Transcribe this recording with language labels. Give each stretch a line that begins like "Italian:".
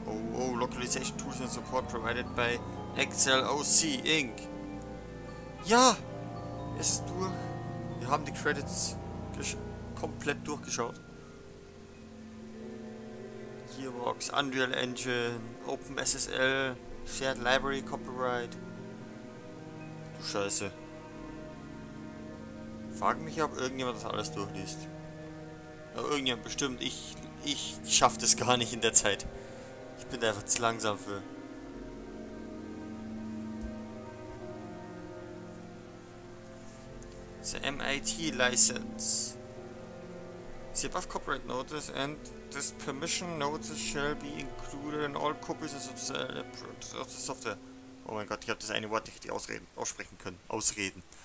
English: Oh, oh, localization tools and support provided by XLOC Inc.
German: Ja! Es ist durch. Wir haben die Credits komplett durchgeschaut.
English: Gearbox, Unreal Engine, OpenSSL, Shared Library Copyright.
German: Du Scheiße. Frag mich, ob irgendjemand das alles durchliest. Ja, irgendjemand bestimmt. Ich schaff das gar nicht in der Zeit. Ich bin da einfach zu langsam für.
English: The MIT License. The above copyright notice and this permission notice shall be included in all copies of the software.
German: Oh mein Gott, ich habe das eine Wort nicht richtig aussprechen können. Ausreden.